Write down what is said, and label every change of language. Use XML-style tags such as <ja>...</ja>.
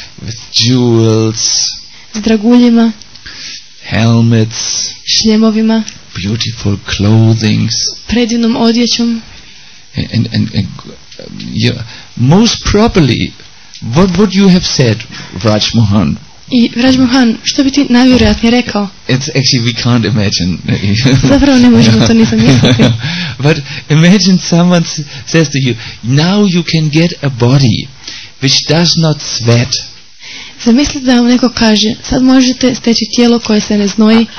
<en>With jewels.</en> <hr>S draguljima.</hr> <en>Helmets.</en> <hr>Šljemovima.</hr> <en>Beautiful clothing.</en> <hr>Predivnom odjećom.</hr> <en>And yeah, most probably, what would you have said, Raj Mohan?</en> <hr>I Raj Mohan, što bi ti najvjerojatnije rekao?</hr> <en>It's actually we can't imagine.</en> <hr>Zapravo ne možemo to ni zamisliti.</hr> <en>But imagine someone says to you, "Now you can get a body which does not sweat."</en> <hr>Zamisli da vam neko kaže, sad možete steći tijelo koje se ne znoji.</hr>